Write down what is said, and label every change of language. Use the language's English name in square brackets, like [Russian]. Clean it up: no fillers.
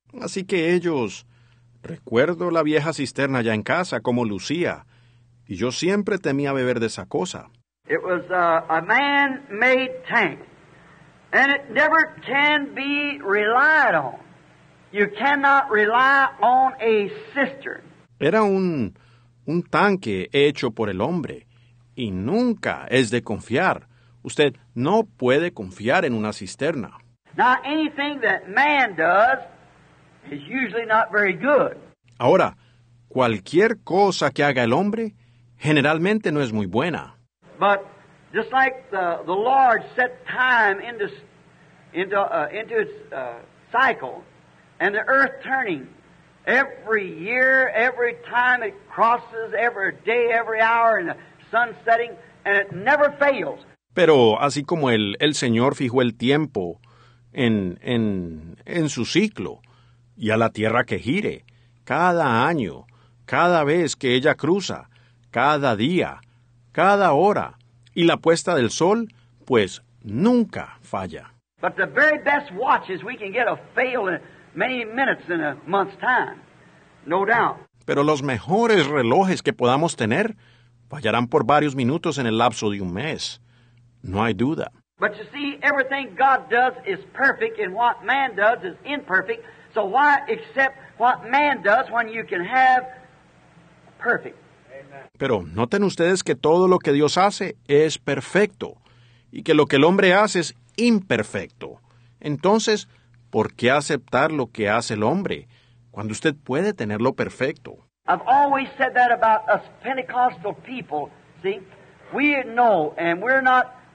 [Spanish] Así que ellos, recuerdo la vieja cisterna allá en casa, como lucía, y yo siempre temía beber de esa cosa. [English] It was a man-made tank, and it never can be relied on. You cannot rely on a cistern. [Spanish] Era un tanque hecho por el hombre, y nunca es de confiar. Usted no puede confiar en una cisterna. [English] Now, anything that man does is usually not very good. [Spanish] Ahora, cualquier cosa que haga el hombre generalmente no es muy buena. [English] But just like the Lord set time into its cycle and the earth turning every year, every time it crosses, every day, every hour, and the sun setting, and it never fails. [Spanish] Pero así como el Señor fijó el tiempo en su ciclo y a la tierra que gire, cada año, cada vez que ella cruza, cada día, cada hora y la puesta del sol, pues nunca falla. [English] But the very best watches we can get a fail in many minutes in a month's time, no doubt. [Spanish] Pero los mejores relojes que podamos tener fallarán por varios minutos en el lapso de un mes. No hay duda. [English] But you see, everything God does is perfect, and what man does is imperfect. So why accept what man does when you can have perfect? [Spanish] Pero noten ustedes que todo lo que Dios hace es perfecto, y que lo que el hombre hace es imperfecto. Entonces, ¿por qué aceptar lo que hace el hombre cuando usted puede tener lo perfecto? [English] I've always said that about us Pentecostal people. See, we know, and we're not.